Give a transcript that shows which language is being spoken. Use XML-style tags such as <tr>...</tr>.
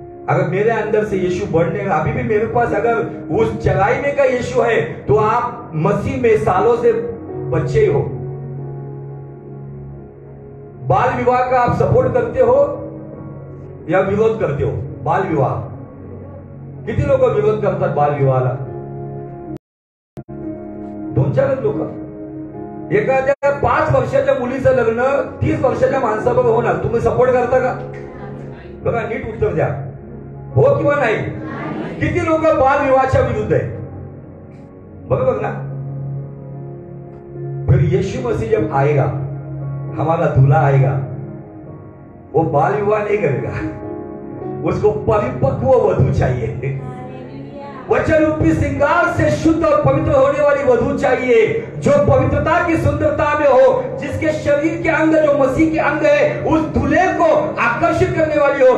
<hi>अगर मेरे अंदर से यीशु बढ़ने, अभी भी मेरे पास अगर उस चलाई में का यीशु है, तो आप मसीह में सालों से बच्चे हो, बाल विवाह का आप सपोर्ट करते हो या विरोध करते हो? बाल विवाह कितने लोग विरोध करता है?</hi> <mr>बाल विवाह का दोन चार लोग, एखाद्या 5 वर्षाच्या मुलीचं लग्न 30 वर्षाच्या माणसाबरोबर होणार, तुम्ही सपोर्ट करता का? बघा, नीट उत्तर द्या, हो किंवा नाही। किती लोक बाल विवाहाच्या विरुद्ध आहे? बरोबर ना?</mr> <hi>फिर यीशु मसीह जब आएगा, हमारा दूल्हा आएगा, वो बाल विवाह नहीं करेगा, उसको परिपक्व वधु चाहिए, वचन रूपी सिंगार से शुद्ध और पवित्र होने वाली वधु चाहिए, जो पवित्रता की सुंदरता में हो, जिसके शरीर के अंग जो मसीह के अंग है उस दूल्हे को आकर्षित करने वाली हो।</hi>